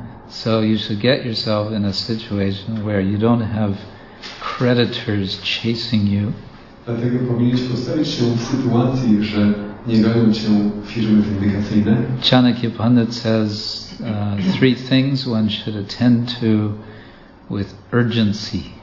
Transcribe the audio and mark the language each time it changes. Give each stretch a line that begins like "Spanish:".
English: So you should get yourself in a situation where you don't have creditors chasing you.
Polish: Dlatego powinieneś postawić się w sytuacji, że nie gonią cię firmy windykacyjne.
English: Chanakya Pandit says three things one should attend to with urgency.